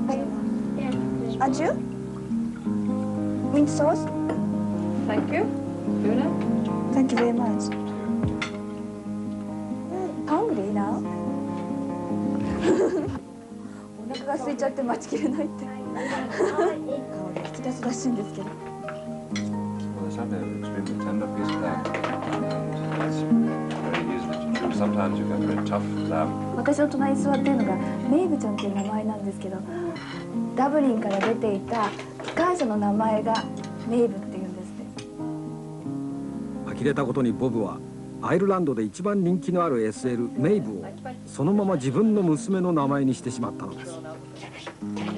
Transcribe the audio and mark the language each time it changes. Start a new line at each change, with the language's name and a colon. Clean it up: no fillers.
English: thank you. Adieu. Mint sauce. Thank you. Luna. Thank you very much. Hungry now?
Japanese: お腹が空いちゃって待ちきれないって。引き出すらしいんですけど。
English: Well, this is an extremely tender piece of lamb. It's very useful to do. Sometimes you get a very tough lamb.
Japanese: 私の隣に座っているのがメイブちゃんという名前なんですけど、ダブリンから出ていた機関車の名前がメイブっていうんですね。呆れたことにボブはアイルランドで一番人気のある SL メイブをそのまま自分の娘の名前にしてしまったのです。